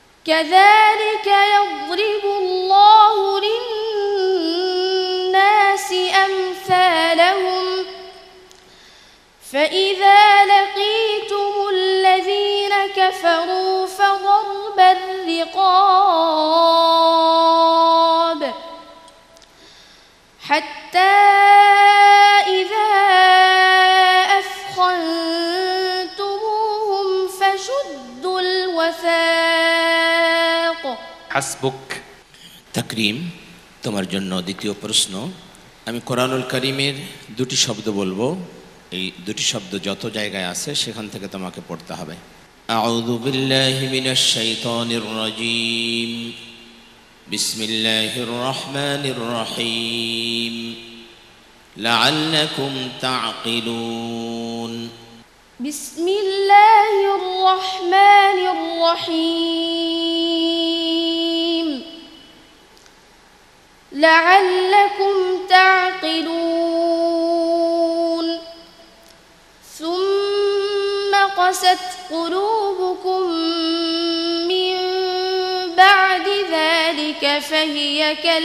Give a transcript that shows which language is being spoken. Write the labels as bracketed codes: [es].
[ar] كذلك يضرب الله للناس أمثالهم فإذا لقيتم الذين كفروا فضرب الرقاب حتى إذا أثخنتموهم فشدوا الوثاق হাসবুক [bn] তাকরিম তোমার জন্য দ্বিতীয় প্রশ্ন আমি কোরআনুল করিমের দুটি শব্দ বলবো এই দুটি শব্দ যত জায়গায় আছে সেখান থেকে তোমাকে পড়তে হবে [ar] আউযু বিল্লাহি মিনাশ শাইতানির রাজীম বিসমিল্লাহির রহমানির রহিম লাআল্লাকুম তাআকিলুন بسم الله الرحمن الرحيم لعلكم تعقلون ثم قست قلوبكم من بعد ذلك فَهِيَ